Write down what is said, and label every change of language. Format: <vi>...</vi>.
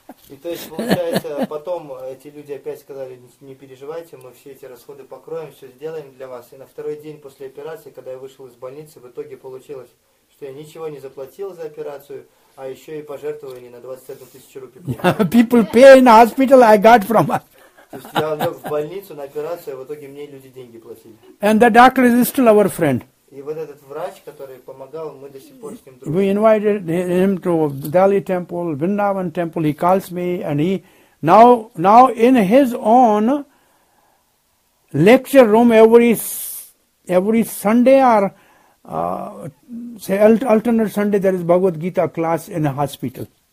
<ru>И то есть, получается, потом эти люди опять сказали, не переживайте, мы все эти расходы покроем, все сделаем для вас. И на второй день после операции, когда я вышел из больницы, в итоге получилось, что я ничего не заплатил за операцию, а еще и пожертвование на 21,000 рупий.</ru> <en>People pay in hospital, I got from us.</en> <ru>То есть я лег в больницу на операцию, а в итоге мне люди деньги платили.</ru> <en>And the doctor is still our friend.</en> <ru>И вот этот врач, который помогал, мы до сих пор с ним дружим.</ru> <en>We invited him to Delhi temple, Vrindavan temple. He calls me and he now in his own lecture room every Sunday or alternate Sunday there is Bhagavad Gita class in a hospital.</en>